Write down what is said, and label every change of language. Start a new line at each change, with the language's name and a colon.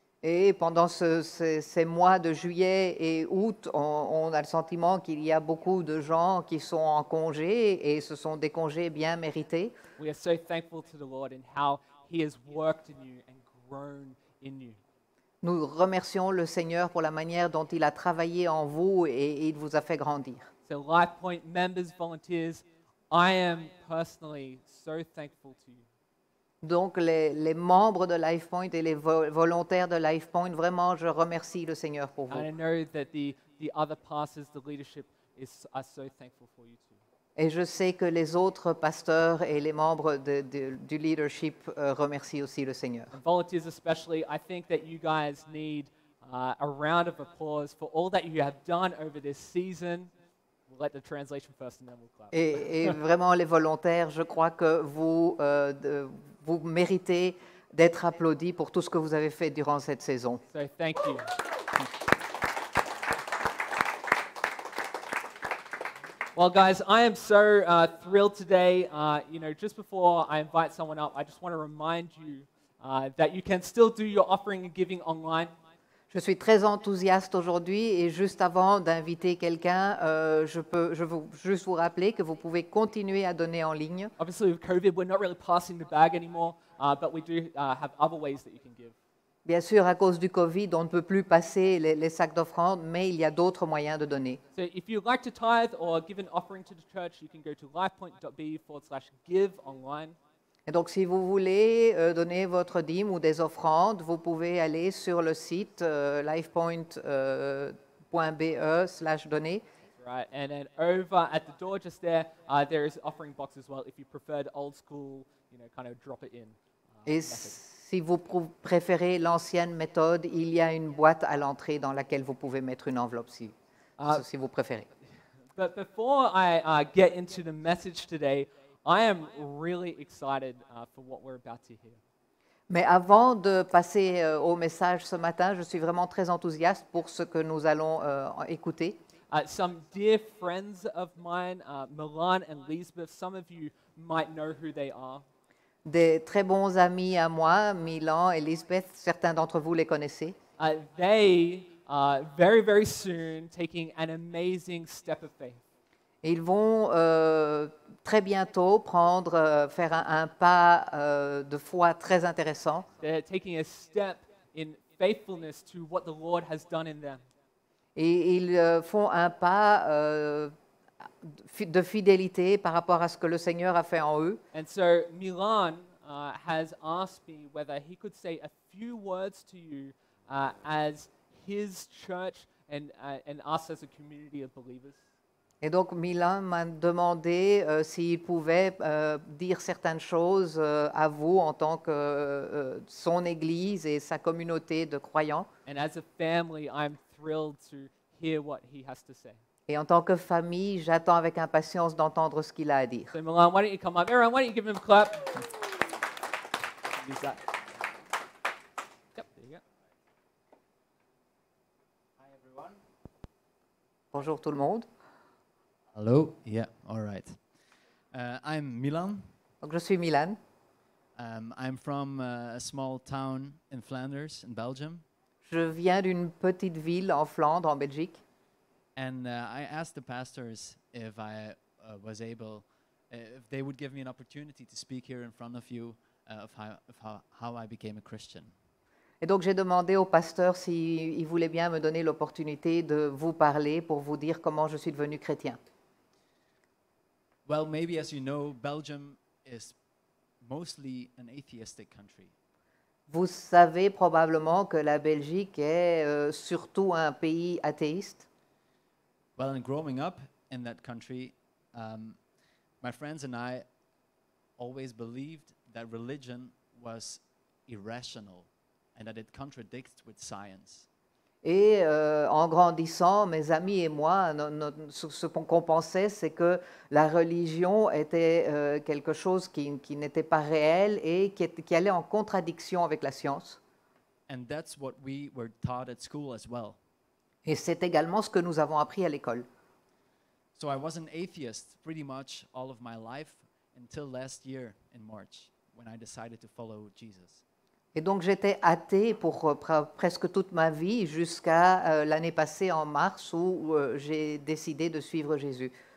French: Et pendant ces mois de juillet et août, on a le sentiment qu'il y a beaucoup de gens qui sont en congé et ce sont des congés bien mérités.
English: We are so thankful to the Lord in how He has worked in you and grown in you.
French: Nous remercions le Seigneur pour la manière dont il a travaillé en vous et il vous a fait grandir.
English: So LifePoint members, volunteers, I am personally so thankful to you.
French: Donc, les membres de LifePoint et les volontaires de LifePoint, vraiment, je remercie le Seigneur pour vous.
English: And I know that the other pastors, the leadership, are so thankful for you too.
French: Et je sais que les autres pasteurs et les membres du leadership remercient aussi le Seigneur.
English: And volunteers especially, I think that you guys need a round of applause for all that you have done over this season. We'll let the translation first and then we'll clap.
French: Et vraiment, les volontaires, je crois que vous méritez d'être applaudis pour tout ce que vous avez fait durant cette saison.
English: So, thank you. Well, guys, I am so thrilled today. You know, just before I invite someone up, I just want to remind you that you can still do your offering and giving online.
French: Je suis très enthousiaste aujourd'hui et juste avant d'inviter quelqu'un, je veux juste vous rappeler que vous pouvez continuer à donner en ligne.
English: Obviously, with COVID, we're not really passing the bag anymore, but we do have other ways that you can give.
French: Bien sûr, à cause du COVID, on ne peut plus passer les sacs d'offrandes, mais il y a d'autres moyens de donner.
English: So if you'd like to tithe or give an offering to the church, you can go to lifepoint.be/giveonline.
French: Et donc, si vous voulez donner votre dîme ou des offrandes, vous pouvez aller sur le site lifepoint.be/donner.
English: Right, and then over at the door just there, there is an offering box as well, if you prefer the old school, you know, kind of drop it in.
French: Et si vous préférez l'ancienne méthode, il y a une boîte à l'entrée dans laquelle vous pouvez mettre une enveloppe, si vous préférez.
English: But before I get into the message today, I am really excited for what we're about to hear.
French: Mais avant de passer au message ce matin, je suis vraiment très enthousiaste pour ce que nous allons écouter.
English: Some dear friends of mine, Milan and Lisbeth, some of you might know who they are.
French: Des très bons amis à moi, Milan et Lisbeth, certains d'entre vous les connaissez.
English: They are very, very soon taking an amazing step of faith.
French: Ils vont très bientôt prendre, faire un pas de foi très intéressant.
English: They're taking a step in faithfulness to what the Lord has done in them.
French: Et ils font un pas de fidélité par rapport à ce que le Seigneur a fait en eux.
English: And so Milan has asked me whether he could say a few words to you as his church and us as a community of believers.
French: Et donc Milan m'a demandé s'il pouvait dire certaines choses à vous en tant que son église et sa communauté de croyants.
English: And as a family, I'm thrilled to hear what he has to say.
French: Et en tant que famille, j'attends avec impatience d'entendre ce qu'il a à dire.
English: So Milan, why don't you come up? Aaron, why don't you give him a clap? Use that. Yep, there you go. Hi everyone.
French: Bonjour tout le monde.
English: Hello. Yeah. All right. I'm Milan.
French: Donc je suis Milan.
English: I'm from a small town in Flanders, in Belgium.
French: Je viens d'une petite ville en Flandre, en Belgique.
English: And I asked the pastors if I was able, if they would give me an opportunity to speak here in front of you of how I became a Christian.
French: Et donc j'ai demandé au pasteur s'il voulait bien me donner l'opportunité de vous parler pour vous dire comment je suis devenu chrétien.
English: Well, maybe as you know, Belgium is mostly an atheistic country.
French: Vous savez probablement que la Belgique est surtout un pays athéiste.
English: Well, and growing up in that country, my friends and I always believed that religion was irrational and that it contradicts with science.
French: Et en grandissant, mes amis et moi, ce qu'on pensait, c'est que la religion était quelque chose qui n'était pas réel et qui allait en contradiction avec la science.
English: And that's what we were taught at school as well.
French: Et c'est également ce que nous avons appris à l'école.
English: So I was an atheist pretty much all of my life until last year in March when I decided to follow Jesus.
French: Et donc j'étais athée pour presque toute ma vie jusqu'à l'année passée en mars où j'ai décidé de suivre Jésus.